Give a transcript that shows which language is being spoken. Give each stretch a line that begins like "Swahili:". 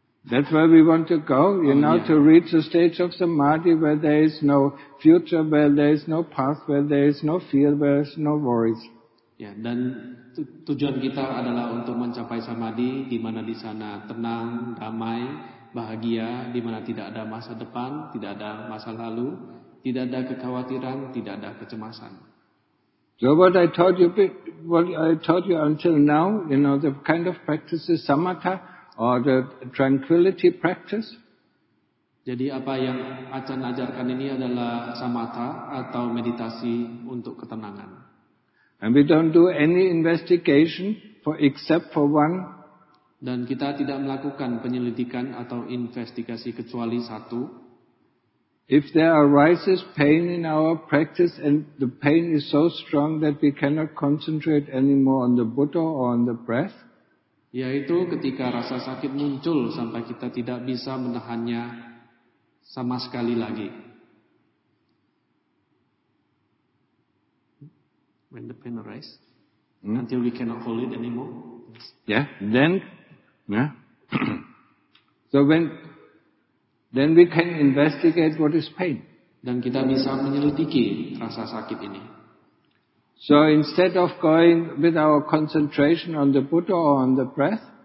English: That's where we want to go, you know, yeah, to reach the stage of samadhi where there is no future, where there is no past, where there is no fear, where there is no worries.
Indonesian: Ya, dan tujuan kita adalah untuk mencapai samadhi di mana di sana tenang, damai, bahagia, di mana tidak ada masa depan, tidak ada masa lalu, tidak ada kekhawatiran, tidak ada kecemasan.
English: So what I taught you until now, you know, the kind of practice is samatha or the tranquility practice.
Indonesian: Jadi apa yang Achan ajarkan ini adalah samatha atau meditasi untuk ketenangan.
English: And we don't do any investigation except for one.
Indonesian: Dan kita tidak melakukan penyelidikan atau investigasi kecuali satu.
English: If there arises pain in our practice and the pain is so strong that we cannot concentrate anymore on the Buddha or on the breath.
Indonesian: Yaitu ketika rasa sakit muncul sampai kita tidak bisa menahannya sama sekali lagi.
English: When the pain arises, until we cannot hold it anymore. Yes. Yeah, then, yeah. So when, then we can investigate what is pain.
Indonesian: Dan kita bisa menyelidiki rasa sakit ini.
English: So instead of going with our concentration on the Buddha or on the breath.